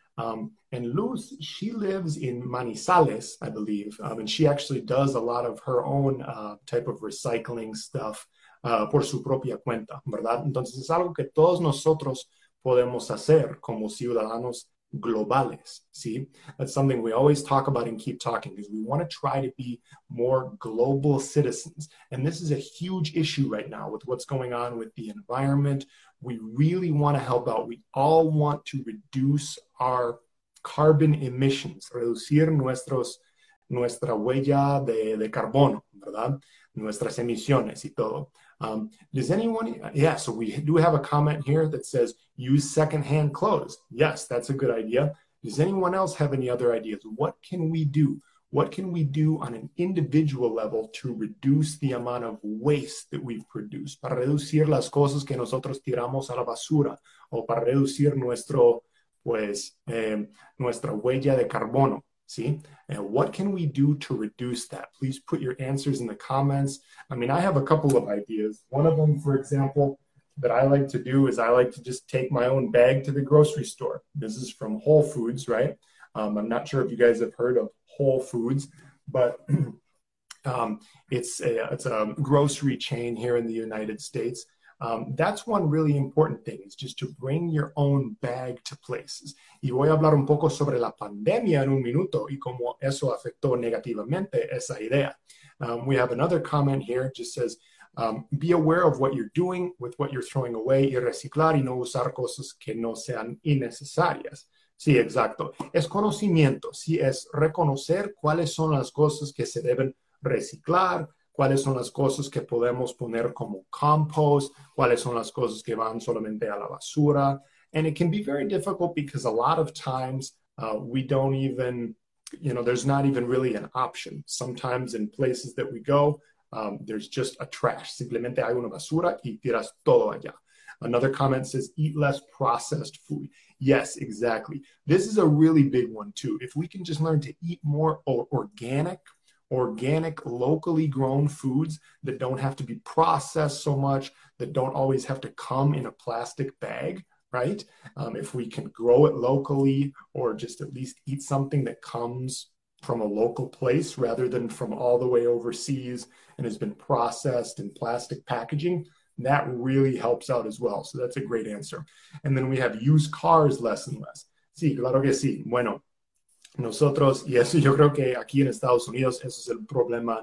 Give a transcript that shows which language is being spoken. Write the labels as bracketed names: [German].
[English] And Luz, she lives in Manizales, I believe, and she actually does a lot of her own type of recycling stuff [Spanish] por su propia cuenta, ¿verdad? Entonces es algo que todos nosotros podemos hacer como ciudadanos globales, ¿sí? [English] That's something we always talk about and keep talking, because we want to try to be more global citizens. And this is a huge issue right now with what's going on with the environment. We really want to help out. We all want to reduce our carbon emissions, [Spanish] reducir nuestra huella de carbono, ¿verdad? Nuestras emisiones y todo. [English] Does anyone, yeah, so we do have a comment here that says, use secondhand clothes. Yes, that's a good idea. Does anyone else have any other ideas? What can we do? What can we do on an individual level to reduce the amount of waste that we've produced? [Spanish] Para reducir las cosas que nosotros tiramos a la basura, o para reducir nuestra huella de carbono. [English] See, and what can we do to reduce that? Please put your answers in the comments. I mean, I have a couple of ideas. One of them, for example, that I like to do is I like to just take my own bag to the grocery store. This is from Whole Foods, right? I'm not sure if you guys have heard of Whole Foods, but it's a grocery chain here in the United States. That's one really important thing, is just to bring your own bag to places. [Spanish] Y voy a hablar un poco sobre la pandemia en un minuto y cómo eso afectó negativamente esa idea. [English] We have another comment here, just says, be aware of what you're doing with what you're throwing away, [Spanish] y reciclar y no usar cosas que no sean innecesarias. Sí, exacto. Es conocimiento, sí, es reconocer cuáles son las cosas que se deben reciclar, cuáles son las cosas que podemos poner como compost, cuáles son las cosas que van solamente a la basura. [English] And it can be very difficult because a lot of times we don't even, you know, there's not even really an option. Sometimes in places that we go, there's just a trash. [Spanish] Simplemente hay una basura y tiras todo allá. [English] Another comment says, eat less processed food. Yes, exactly. This is a really big one too. If we can just learn to eat more organic, locally grown foods that don't have to be processed so much, that don't always have to come in a plastic bag, right? If we can grow it locally, or just at least eat something that comes from a local place rather than from all the way overseas and has been processed in plastic packaging, that really helps out as well. So that's a great answer. And then we have used cars less and less. [Spanish] Sí, claro que sí. Bueno, nosotros, y eso yo creo que aquí en Estados Unidos, eso es el problema.